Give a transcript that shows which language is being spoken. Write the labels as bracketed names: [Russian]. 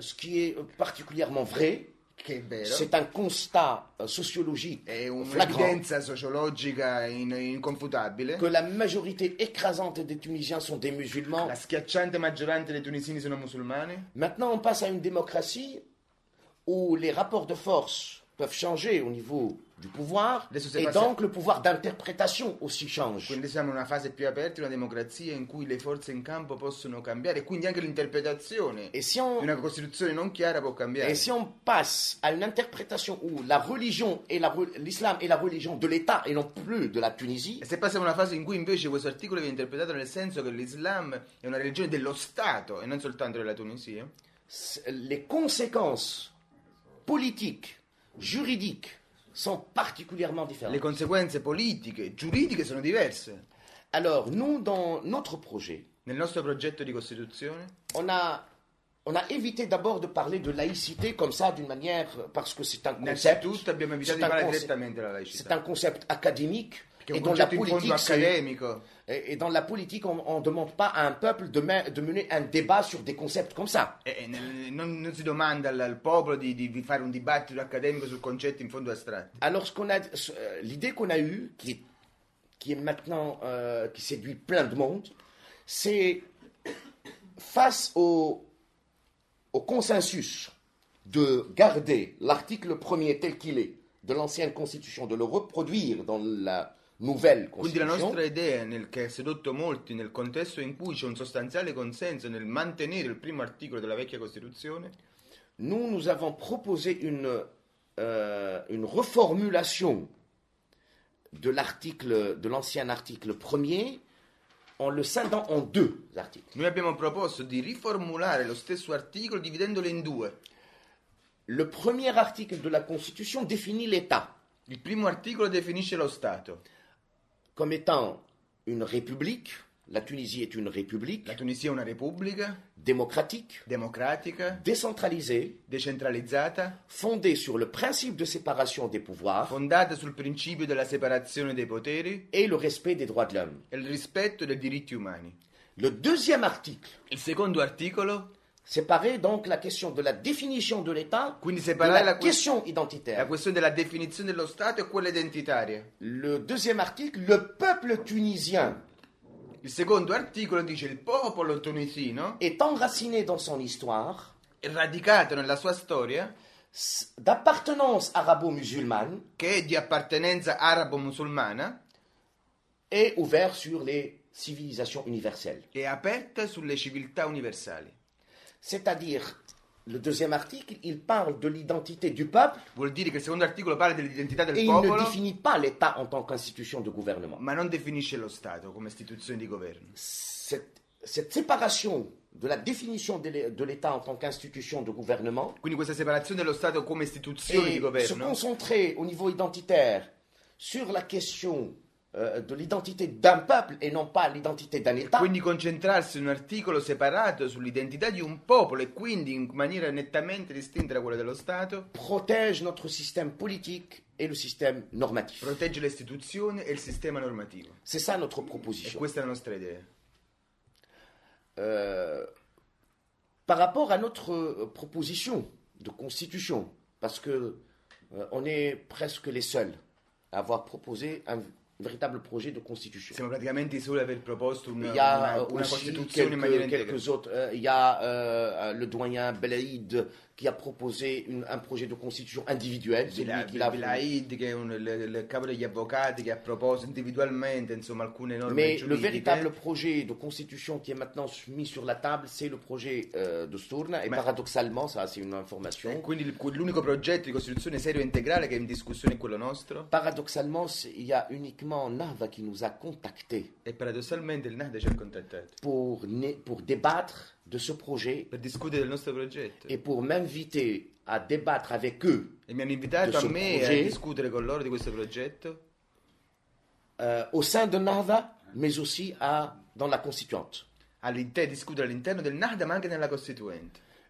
[French] Ce qui est particulièrement vrai. [Italian] Che vero. [French] C'est un constat sociologique. [Italian] È un'evidenza sociologica inconfutabile. [French] Que la majorité écrasante des Tunisiens sont des musulmans. [Italian] La schiacciante maggioranza dei tunisini sono musulmani. [French] Maintenant on passe à une démocratie où les rapports de force peuvent changer au niveau du pouvoir et donc le pouvoir d'interprétation aussi change. [Italian] Quindi siamo in una fase più aperta, una democrazia in cui le forze in campo possono cambiare, quindi anche l'interpretazione. [French] Et si on, [Italian] una costituzione non chiara può cambiare. [French] Et si on passe à une interprétation où la religion et l'islam est la religion de l'État et non plus de la Tunisie. [Italian] E se passiamo a una fase in cui invece questo articolo viene interpretato nel senso che l'islam è una religione dello Stato e non soltanto della Tunisia. [French] Les conséquences politiques, juridiques sont particulièrement différentes. Les conséquences politiques, juridiques sont diverses. Alors, nous, dans notre projet, [Italian] nel nostro progetto di costituzione, [French] on a évité d'abord de parler de laïcité comme ça, d'une manière, parce que c'est un concept. [Italian] Innanzitutto, abbiamo evitato di parlare direttamente della laïcité. [French] C'est un concept académique. Et dans la politique, et dans la politique, on demande pas à un peuple de mener un débat sur des concepts comme ça. [Italian] Non si domanda al popolo di fare un dibattito accademico su concetti in fondo astratti. [French] Alors l'idée qu'on a eue, qui est maintenant qui séduit plein de monde, c'est face au consensus de garder l'article premier tel qu'il est de l'ancienne constitution, de le reproduire dans la nouvelle constitution. [Italian] Quindi la nostra idea, nel che ha sedotto molti, nel contesto in cui c'è un sostanziale consenso nel mantenere il primo articolo della vecchia Costituzione, [French] nous avons proposé une reformulation de l'article, de l'ancien article premier, en le scindant en deux articles. [Italian] Noi abbiamo proposto di riformulare lo stesso articolo dividendolo in due. [French] Le premier article de la Constitution définit l'État. [Italian] Il primo articolo definisce lo Stato. [French] Comme étant une république, la Tunisie est une république. [Italian] La Tunisia è una repubblica. [French] Démocratique. [Italian] Democratica. [French] Décentralisée. [Italian] Decentralizzata. [French] Fondée sur le principe de séparation des pouvoirs. [Italian] Fondata sul principio della separazione dei poteri. [French] Et le respect des droits de l'homme. [Italian] E il rispetto dei diritti umani. [French] Le deuxième article. [Italian] Il secondo articolo. [French] Séparer donc la question de la définition de l'État. [Italian] Quindi separare [French] la question identitaire. [Italian] La questione della definizione dello Stato e quella identitaria. [French] Le deuxième article, le peuple tunisien. [Italian] Il secondo articolo dice il popolo tunisino [French] est enraciné dans son histoire, [Italian] radicato nella sua storia, [French] d'appartenance arabo-musulmane, [Italian] che è di appartenenza arabo-musulmana, [French] et ouvert sur les civilisations universelles. [Italian] È aperta sulle civiltà universali. [French] C'est-à-dire, le deuxième article, il parle de l'identité du peuple. [Italian] Vuol dire che il secondo articolo parla dell'identità del [French] et [Italian] popolo. [French] Il ne définit pas l'État en tant qu'institution de gouvernement. [Italian] Ma non definisce lo Stato come istituzione di governo. [French] Cette séparation de la définition de l'État en tant qu'institution de gouvernement. [Italian] Quindi questa separazione dello Stato come istituzione di governo. [French] Et se concentrer au niveau identitaire sur la question de l'identité d'un peuple et non pas l'identité d'un État. [Italian] Quindi concentrarsi in un articolo separato sull'identità di un popolo e quindi in maniera nettamente distinta da quella dello Stato. [French] Protège notre système politique et le système normatif. [Italian] Protegge l'istituzione e il sistema normativo. [French] C'est ça notre proposition. [Italian] E questa è la nostra idea. [French] Par rapport à notre proposition de constitution, parce que on est presque les seuls à avoir proposé un véritable projet de constitution. [Italian] Siamo praticamente i soli ad aver proposto una costituzione in maniera integrale. [French] Il y a le doyen Belaïde qui a proposé un projet de constitution individuel. [Italian] Belaïde, che è il capo degli avvocati, che ha proposto individualmente insomma alcune norme giuridiche. [French] Mais le véritable projet de constitution qui est maintenant mis sur la table, c'est le projet de Sturna. Et paradoxalement, ça c'est une information. [Italian] E quindi l'unico progetto di costituzione serio e integrale che è in discussione è quello nostro. [French] Paradoxalement, il y a uniquement Nava qui nous a contacté. [Italian] E paradossalmente il Nava ci ha contattato. [French] Pour débattre de ce projet, [Italian] per discutere del nostro progetto, [French] et pour m'inviter à débattre avec eux, [Italian] e mi hanno invitato a me [French] projet, [Italian] a discutere con loro di questo progetto, [French] au sein de Nava, mais aussi à dans la Constituante, [Italian] all'interno discutere all'interno del Nava, ma anche nella Costituente.